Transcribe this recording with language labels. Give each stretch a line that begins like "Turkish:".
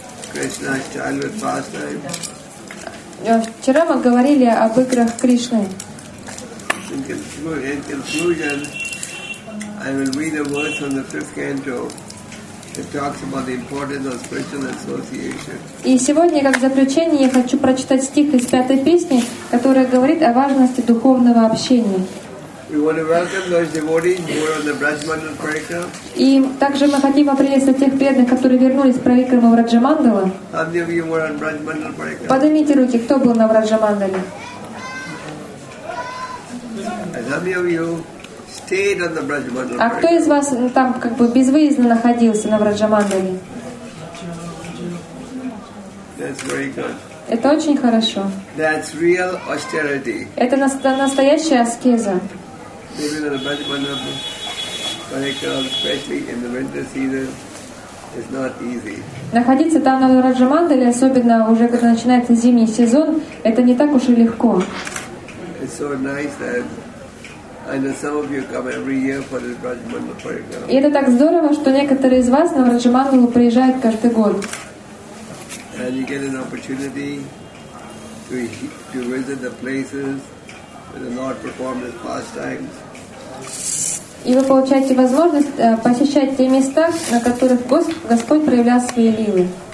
Russian: Вчера мы говорили об играх Кришны.
English: In conclusion, I will read a verse from the fifth canto that talks about the importance of spiritual association.
Russian: И сегодня, как заключение, я хочу прочитать стих из пятой песни, которая говорит о важности духовного общения.
English: We want to welcome those devotees who are on the Brajmandal Parikrama.
Russian: И также мы хотим приветствовать тех преданных, которые вернулись с Парикрамы в Раджамандалу.
English: How many of you were on Brajmandal Parikrama?
Russian: Поднимите руки, кто был на Раджамандале.
English: How many of you stayed on the Brajmandal Parikrama?
Russian: А кто из вас там как бы безвыездно находился на Раджамандале?
English: That's very good.
Russian: Это очень хорошо.
English: That's real austerity.
Russian: Это настоящая аскеза.
English: Living on the Brajmandal Parikrama, especially in the winter season, is not easy.
Russian: Находиться там на Раджамандале, особенно уже когда начинается зимний сезон, это не так уж и легко.
English: It's so nice that I know some of you come every year for the Brajmandal Parikrama.
Russian: И это так здорово, что некоторые из вас на Раджамандалу приезжают каждый год.
English: And you get an opportunity to visit the places where the Lord performed His pastimes.
Russian: И вы получаете возможность посещать те места, на которых Господь проявлял свои лилы.